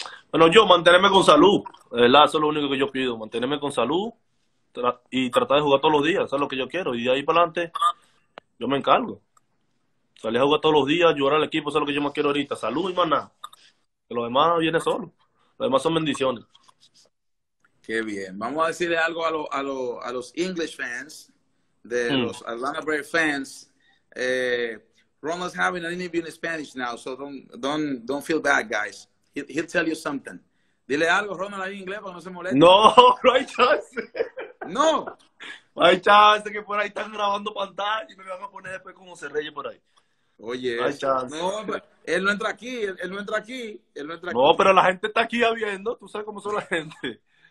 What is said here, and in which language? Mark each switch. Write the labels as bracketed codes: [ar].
[es] Bueno, yo mantenerme con salud, ¿verdad? Eso es lo único que yo pido, mantenerme con salud y tratar de jugar todos los días, eso es lo que yo quiero. Y de ahí para adelante, yo me encargo. Salir a jugar todos los días, ayudar al equipo, eso es lo que yo más quiero ahorita. Salud y más nada. Que lo demás viene solo. Lo demás son bendiciones. Qué bien. Vamos a decirle algo a los English fans, de los Atlanta Braves fans. [en] Ronald's having an interview in Spanish now, so don't feel bad, guys. He'll tell you something. [es] Dile algo, Ronald, ahí en inglés, para no se moleste. No, no hay chance. No. No hay chance que por ahí están grabando pantalla y me van a poner después como se reye por ahí. Oye, no hay chance. No, él no entra aquí, él no entra aquí. No, pero la gente está aquí viendo, tú sabes cómo son la gente.